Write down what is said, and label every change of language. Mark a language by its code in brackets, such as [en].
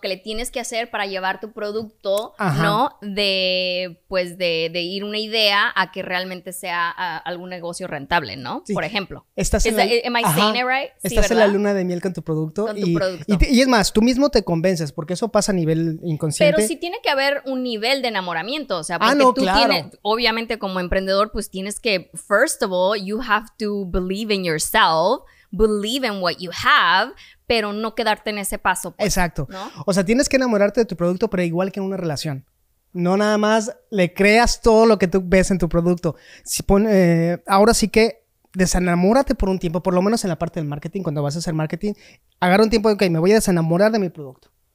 [es] Que le tienes que hacer para llevar tu producto, ajá, ¿no? De, pues, de ir una idea a que realmente sea algún negocio rentable, ¿no? Sí. Por ejemplo. Estás en [en] Am I saying it right? [es] Estás, sí, en la luna de miel con tu producto. Con tu producto. Y es más, tú mismo te convences, porque eso pasa a nivel inconsciente. Pero sí tiene que haber un nivel de enamoramiento, o sea, porque tú tienes... Obviamente, como emprendedor, pues tienes que... [en] First of all, you have to believe in yourself... Believe in what you have, [es] pero no quedarte en ese paso. Pues, exacto. ¿No? O sea, tienes que enamorarte de tu producto, pero igual que en una relación. No nada más le creas todo lo que tú ves en tu producto. Si pone, ahora sí que desenamórate por un tiempo, por lo menos en la parte del marketing, cuando vas a hacer marketing, agarra un tiempo de, okay, me voy a desenamorar de mi producto.